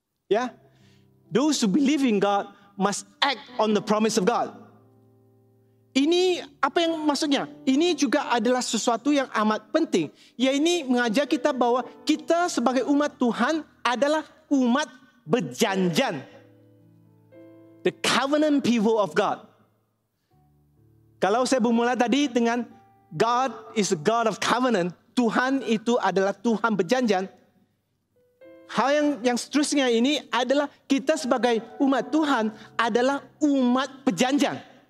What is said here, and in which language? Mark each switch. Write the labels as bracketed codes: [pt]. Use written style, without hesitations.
[en] Ya, those who believe in God must act on the promise of God. [id] Ini apa yang maksudnya? Ini juga adalah sesuatu yang amat penting. Ya, ini mengajar kita bahwa kita sebagai umat Tuhan adalah umat berjanjian. [en] The covenant people of God. [id] Kalau saya bermula tadi dengan [en] God is a God of covenant, [id] Tuhan itu adalah Tuhan berjanjian. Hal yang seterusnya ini adalah kita sebagai umat Tuhan adalah umat berjanjian.